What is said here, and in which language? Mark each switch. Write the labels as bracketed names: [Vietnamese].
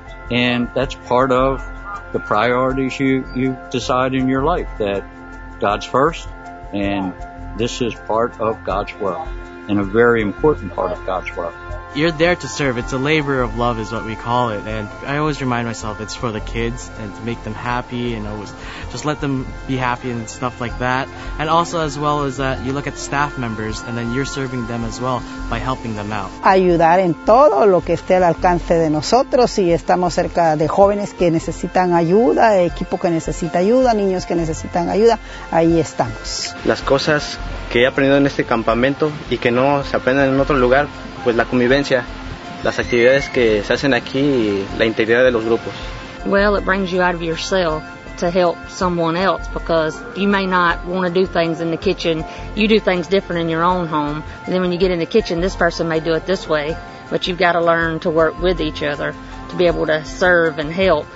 [English] And that's part of the priorities you decide in your life, that God's first, and this is part of God's work, and a very important part of God's work. You're there to serve. It's a labor of love is what we call it. And I always remind myself it's for the kids and to make them happy and always just let them be happy and stuff like that. And also as well as that, you look at staff members and then you're serving them as well by helping them out. [Spanish] Ayudar en todo lo que esté al alcance de nosotros. Si estamos cerca de jóvenes que necesitan ayuda, equipo que necesita ayuda, niños que necesitan ayuda, ahí estamos. Las cosas que he aprendido en este campamento y que no se aprenden en otro lugar, pues la convivencia, las actividades que se hacen aquí y la integridad de los grupos. [English] Well, it brings you out of yourself to help someone else because you may not want to do things in the kitchen. You do things different in your own home. And then when you get in the kitchen, this person may do it this way, but you've got to learn to work with each other to be able to serve and help.